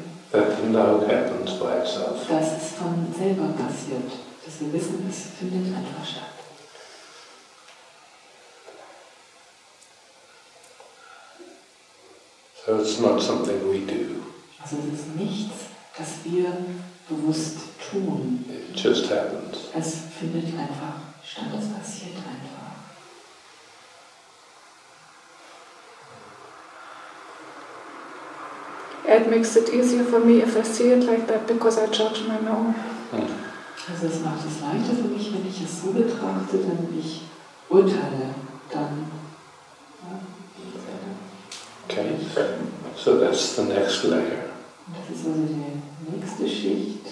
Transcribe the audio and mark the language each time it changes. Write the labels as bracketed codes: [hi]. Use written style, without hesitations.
[en] that the know happens by itself. [de] Dass es von selber passiert. Dass wir wissen, es findet einfach statt. [en] So it's not something we do. [de] Also es ist nichts, das wir bewusst tun. [en] It just happens. [de] Es findet einfach statt. Es passiert einfach. [en] It makes it easier for me if I see it like that because I judge my own. [de] Also es macht es leichter für mich, wenn ich es so betrachte, dann ich urteile dann. [en] Okay, so that's the next layer. [de] Das ist also die nächste Schicht.